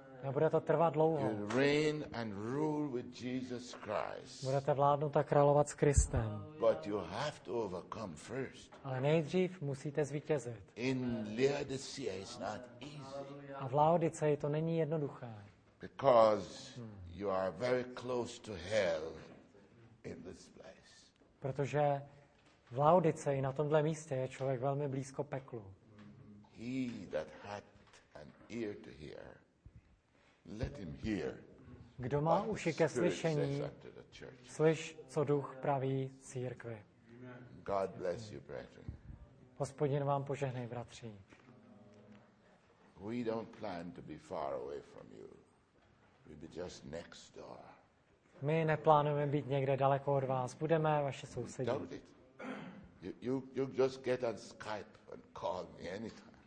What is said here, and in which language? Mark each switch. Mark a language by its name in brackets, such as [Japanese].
[Czech] Nebude to trvat dlouho. [English] You reign and rule with Jesus Christ. [Czech] Budete vládnout a královat s Kristem. [English] But you have to overcome first. [Czech] Ale nejdřív musíte zvítězit. [English] In Laodicea it's not easy. [Czech] A v Laodiceji to není jednoduché. [English] Because you are very close to hell in this place. [Czech] Protože v Laodiceji na tomhle místě je člověk velmi blízko peklu. [English] He that had an ear to hear. Let him hear. [Czech] Kdo má uši ke slyšení, slyš, co duch praví církvi. [English] God bless you, brethren. [Czech] Hospodin vám požehnej, bratři. [English] We don't plan to be far away from you. We'll be just next door. [Czech] My neplánujeme být někde daleko od vás. Budeme vaše sousedi. [English] Doubt it. You just get on Skype and call me anytime.